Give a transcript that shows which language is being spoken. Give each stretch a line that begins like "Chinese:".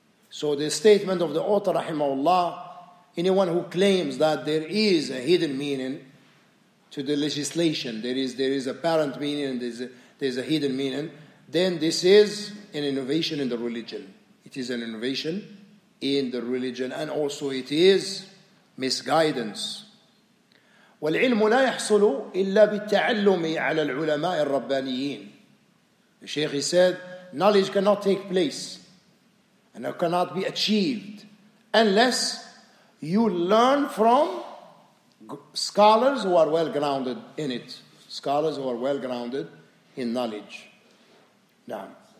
English: So the statement of the author رحمه الله, anyone who claims that there is a hidden meaning to the legislation, there is apparent meaning and there's a hidden meaning, then this is an innovation in the religion. It is an innovation in the religion, and also it is misguidance.
Arabic: والعلم لا يحصل إلا بالتعلم على العلماء الربانيين.
English: The Sheikh said, knowledge cannot take place and it cannot be achieved unless you learn from scholars who are well-grounded in it. Scholars who are well-grounded in knowledge. Naam.